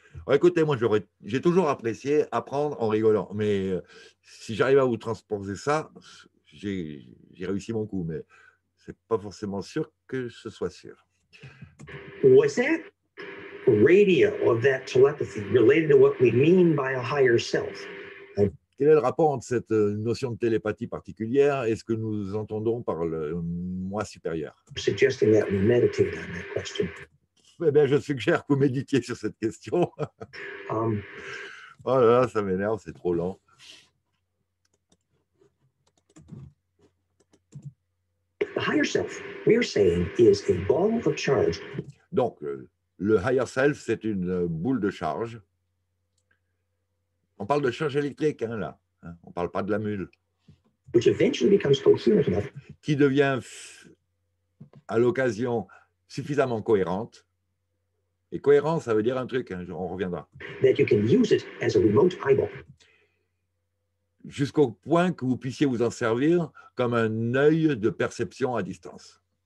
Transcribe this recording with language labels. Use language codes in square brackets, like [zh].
[fr] Écoutez, moi, j'ai toujours apprécié apprendre en rigolant. Mais si j'arrive à vous transposer ça, j'ai réussi mon coup. Mais ce n'est pas forcément sûr que ce soit sûr. [en] Was that radio of that telepathy related to what we mean by a higher self? [fr] Quel est le rapport entre cette notion de télépathie particulière et ce que nous entendons par le moi supérieur? [en] Suggesting that we meditate on that question. [fr] Eh bien, je suggère que vous méditiez sur cette question. Oh là là, ça m'énerve, c'est trop lent. [en] The higher self, we are saying, is a ball of charge. [fr] Donc, le higher self, c'est une boule de charge. On parle de charge électrique, hein, là. On ne parle pas de la mule. [en] Which eventually becomes coherent enough. [fr] Qui devient, à l'occasion, suffisamment cohérente. Et cohérent, ça veut dire un truc, hein, on reviendra. [en] That you can use it as a remote eyeball. [fr] Jusqu'au point que vous puissiez vous en servir comme un œil de perception à distance.